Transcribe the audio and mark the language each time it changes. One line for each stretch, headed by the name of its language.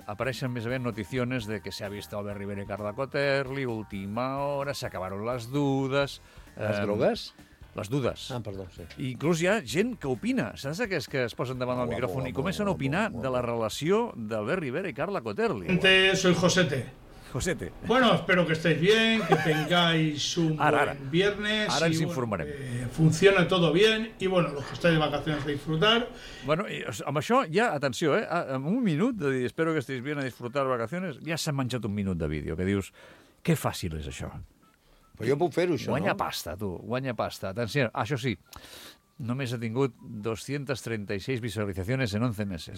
Catalan: Apareixen més aviat noticiones de que s'ha vist Albert Rivera i Carla Cotterly, última hora, s'acabaron les dudes... Les drogues? Les dudes. Ah, perdó, sí. I inclús hi ha gent que opina. Saps aquests que es posen davant del micròfon i comencen a opinar de la relació d'Albert Rivera i Carla Cotterly?
Spanish: Soy Josete. Josete. Bueno, espero que estéis bien, que tengáis un buen viernes.
Catalan: Ara ens informarem.
Spanish: Funciona todo bien y bueno, los que estáis de vacaciones a disfrutar.
Catalan: Bueno, amb això ja, atenció, amb un minut de dir
Spanish: espero que estéis bien a disfrutar vacaciones,
Catalan: ja s'ha menjat un minut de vídeo, que dius, que fàcil és això. Però jo puc fer-ho, això, guanya no? Guanya pasta, tu, guanya pasta. Atenció, això sí, només ha tingut 236 visualitzacions en 11 mesos.